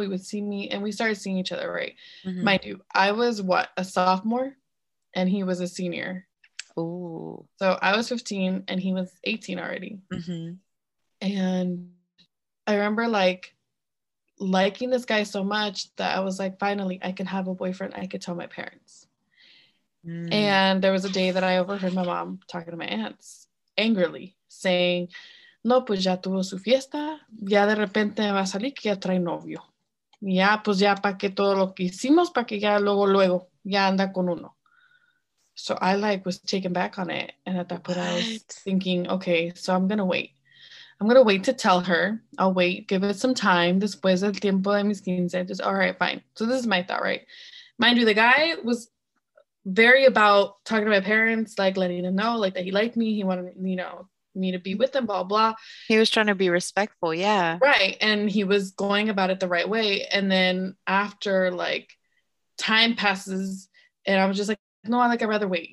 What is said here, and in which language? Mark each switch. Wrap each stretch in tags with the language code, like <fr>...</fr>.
<en>He would see me, and we started seeing each other, right? Mm-hmm. Mind you, I was, what, a sophomore, and he was a senior. Ooh. So I was 15, and he was 18 already. Mm-hmm. And I remember, like, liking this guy so much that I was like, finally, I can have a boyfriend I could tell my parents. Mm. And there was a day that I overheard my mom talking to my aunts angrily, saying,</en> <es>no, pues ya tuvo su fiesta, ya de repente va a salir que ya trae novio, ya pues ya pa que todo lo que hicimos pa que ya luego luego ya anda con uno.</es> <en>So I like was taken back on it, and at that point I was thinking, okay, so I'm gonna wait to tell her. I'll wait, give it some time.</en> <es>Después del tiempo de mis 15, just, all right, fine.</es> <en>So this is my thought, right? Mind you, the guy was very about talking to my parents, like letting them know, like, that he liked me. He wanted, you know, me to be with them, blah, blah. He was trying to be respectful, yeah. Right, and he was going about it the right way. And then after, like, time passes, and I was just like, no, I like, I'd rather wait.</en>